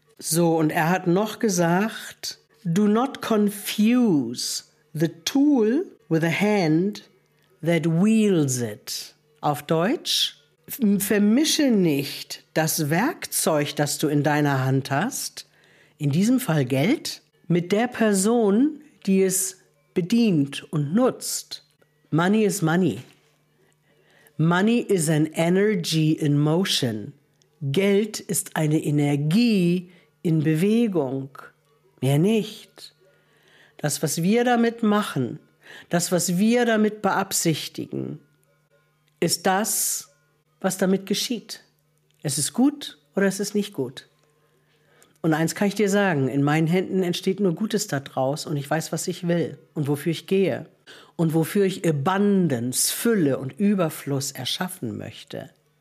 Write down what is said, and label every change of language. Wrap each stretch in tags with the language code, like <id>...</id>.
<de>So, und er hat noch gesagt,</de> <en>do not confuse the tool with a hand that wields it.</en> <de>Auf Deutsch, vermische nicht das Werkzeug, das du in deiner Hand hast, in diesem Fall Geld, mit der Person, die es bedient und nutzt.</de> <en>Money is money. Money is an energy in motion.</en> <de>Geld ist eine Energie in Bewegung, mehr nicht. Das, was wir damit machen, das, was wir damit beabsichtigen, ist das, was damit geschieht. Es ist gut oder es ist nicht gut. Und eins kann ich dir sagen, in meinen Händen entsteht nur Gutes daraus und ich weiß, was ich will und wofür ich gehe und wofür ich Abundance, Fülle und Überfluss erschaffen möchte.</de>